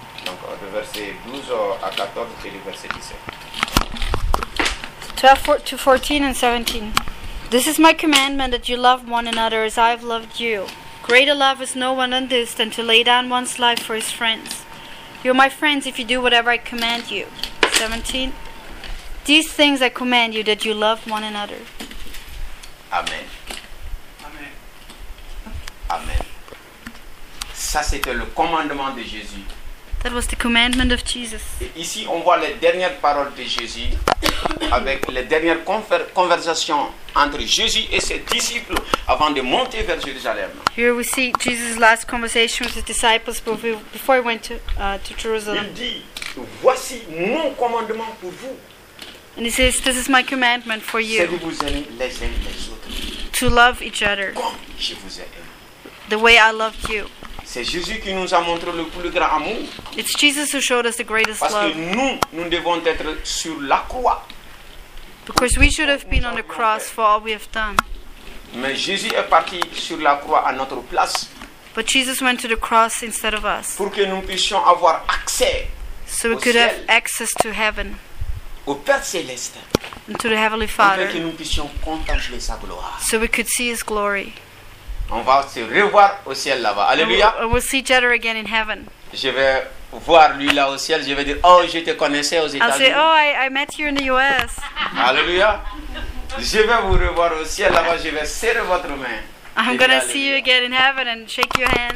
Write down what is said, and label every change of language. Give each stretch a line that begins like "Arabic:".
French: Donc, le verset 12 à 14, c'est le verset 17.
English: 12 to 14 and 17. This is my commandment, that you love one another as I have loved you. Greater love is no one than this, than to lay down one's life for his friends. You are my friends if you do whatever I command you. 17. These things I command you, that you love one another. Amen. Amen. Amen.
French: Ça, c'était le commandement de Jésus.
English: That was the commandment of Jesus.
French: Et ici, on voit les dernières paroles de Jésus avec les dernières conversations entre Jésus et ses disciples avant de monter vers Jérusalem.
English: Here we see Jesus' last conversation with his disciples before he went to Jerusalem.
French: Il dit, voici mon commandement pour vous.
English: And he says, this is my commandment for you.
French: C'est que vous aimez les uns les autres.
English: To love each other.
French: Comme je vous ai aimé.
English: The way I loved you.
French: C'est Jésus qui nous a montré le plus grand amour.
English: It's Jesus who showed us the greatest love.
French: Parce que nous devons être sur la croix.
English: Because we should have been on the cross for all we have done.
French: Mais Jésus est parti sur la croix à notre place.
English: But Jesus went to the cross instead of us.
French: Pour que nous puissions avoir accès.
English: So we could have access to heaven.
French: Au Père céleste.
English: And to the heavenly Father.
French: Pour que nous puissions contempler sa gloire.
English: So we could see his glory.
French: On va se revoir au ciel là-bas. Alléluia.
English: We'll see each other again in heaven.
French: Je vais voir lui là au ciel. Je vais dire, oh, je te connaissais aux États-Unis.
English: I'll say, oh, I met you in the U.S.
French: Alléluia. Je vais vous revoir au ciel là-bas. Je vais serrer votre main.
English: I'm going to see you again in heaven and shake your hand.